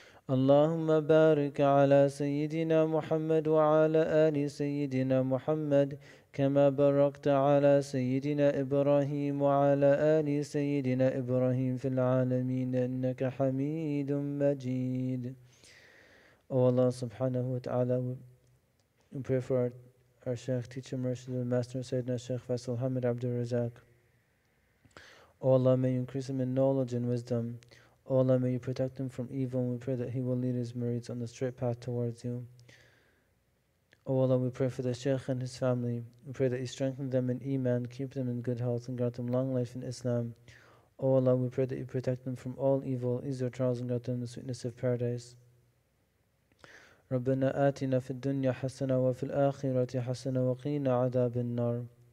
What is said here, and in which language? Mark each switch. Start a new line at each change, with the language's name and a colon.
Arabic: اللهم بارك على سيدنا محمد وعلى آل سيدنا محمد كما باركت على سيدنا إبراهيم وعلى آل سيدنا إبراهيم في العالمين إنك حميد مجيد أو الله سبحانه وتعالى
English: pray for our Sheikh, teacher, merchant, and master, Sayyidina Sheikh Faisal Hamid Abdul Razak. O Allah, may you increase him in knowledge and wisdom. O Allah, may you protect him from evil, and we pray that he will lead his murids on the straight path towards you. O Allah, we pray for the Sheikh and his family. We pray that you strengthen them in Iman, keep them in good health, and grant them long life in Islam. O Allah, we pray that you protect them from all evil, ease their trials, and grant them the sweetness of paradise.
Arabic: ربنا آتنا في الدنيا حسنة وفي الآخرة حسنة وقينا عذاب النار.